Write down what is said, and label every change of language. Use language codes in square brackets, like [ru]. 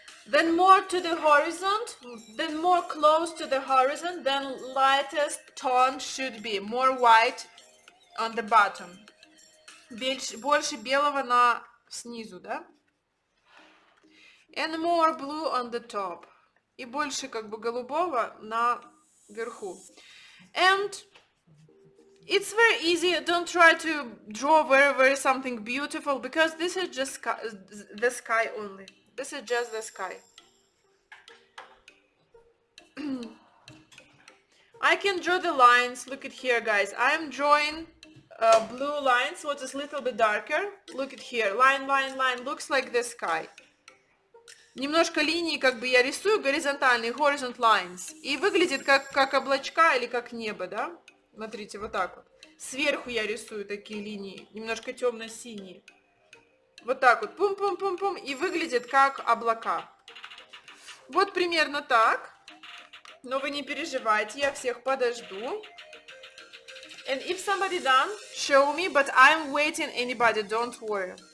[en] Then more to the horizon, then more close to the horizon, then lightest tone should be more white on the bottom. [ru] Больше белого на снизу, да? [en] And more blue on the top. [ru] И больше как бы голубого на верху. [en] And it's very easy. Don't try to draw very, very something beautiful, because this is just the sky only. This is just the sky. I can draw the lines. Look at here, guys. I'm drawing blue lines, which is a little bit darker. Look at here. Line, line, line. Looks like the sky. [ru] Немножко линии, как бы я рисую, горизонтальные, [en] horizon lines. [ru] И выглядит как облачка или как небо, да? Смотрите, вот так вот. Сверху я рисую такие линии, немножко темно-синие. Вот так вот, пум-пум-пум-пум, и выглядит как облака. Вот примерно так. Но вы не переживайте, я всех подожду. [en] And if somebody done, show me, but I'm waiting anybody, don't worry.